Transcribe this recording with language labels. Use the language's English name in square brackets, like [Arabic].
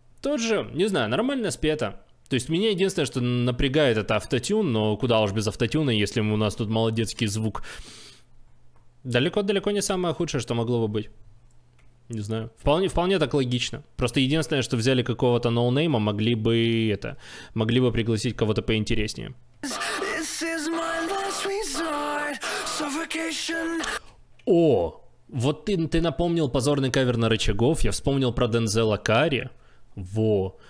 [Russian] Тот же, не знаю, нормально спето. То есть меня единственное, что напрягает, это автотюн, но куда уж без автотюна, если у нас тут молодецкий звук. Далеко-далеко не самое худшее, что могло бы быть. Не знаю. Вполне так логично. Просто единственное, что взяли какого-то ноунейма, могли бы пригласить кого-то поинтереснее. [English] This is my last resort, suffocation. [Russian] О, вот ты напомнил позорный кавер на Рычагов, я вспомнил про Дензела Карри. Во.